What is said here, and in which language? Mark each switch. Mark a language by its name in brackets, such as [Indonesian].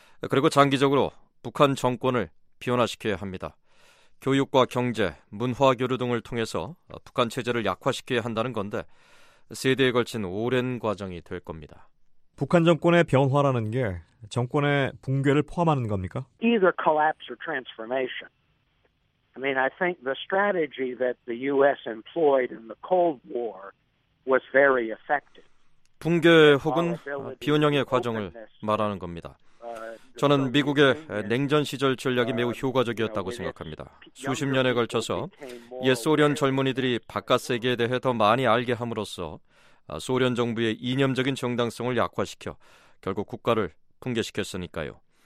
[Korean] 그리고 장기적으로 북한 정권을 비현화시켜야 합니다. 교육과 경제, 문화 교류 등을 통해서 북한 체제를 약화시켜야 한다는 건데 세대에 걸친 오랜 과정이 될 겁니다. 북한 정권의 변화라는 게 정권의 붕괴를 포함하는 겁니까? [English] Either collapse or transformation. I mean, I think the strategy that the U.S. employed in the Cold War was very effective. [Korean] 붕괴 혹은 비운영의 과정을 말하는 겁니다. 저는 미국의 냉전 시절 전략이 매우 효과적이었다고 생각합니다. 수십 년에 걸쳐서 옛 소련 젊은이들이 바깥 세계에 대해 더 많이 알게 함으로써 소련 정부의 이념적인 정당성을 약화시켜 결국 국가를 붕괴시켰으니까요.